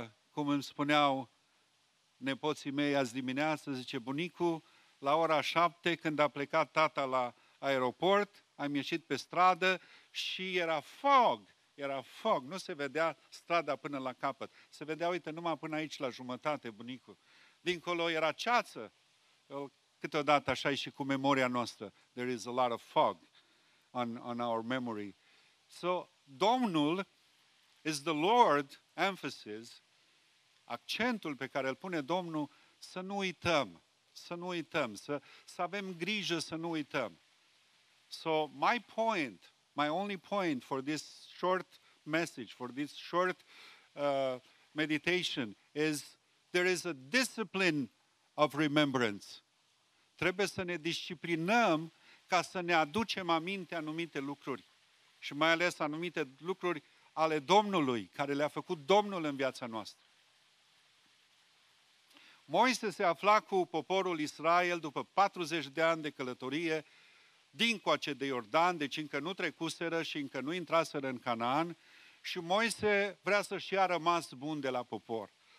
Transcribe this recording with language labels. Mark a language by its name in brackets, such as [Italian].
[Romanian] cum îmi spuneau nepoții mei azi dimineață, zice, bunicu, la ora 7, când a plecat tata la aeroport, am ieșit pe stradă și era fog, nu se vedea strada până la capăt. Se vedea, uite, numai până aici, la jumătate, bunicu. Dincolo era ceață. Câteodată așa e și cu memoria noastră. [English] There is a lot of fog on our memory. So, Domnul is the Lord emphasis, [Romanian] accentul pe care îl pune Domnul, să nu uităm, să avem grijă să nu uităm. [English] So, my only point for this short message, for this short meditation, is there is a discipline of remembrance. [Romanian] Trebuie să ne disciplinăm ca să ne aducem aminte anumite lucruri și mai ales anumite lucruri ale Domnului, care le-a făcut Domnul în viața noastră. Moise se afla cu poporul Israel după 40 de ani de călătorie dincoace de Iordan, deci încă nu trecuseră și încă nu intraseră în Canaan și Moise vrea să-și ia rămas bun de la popor.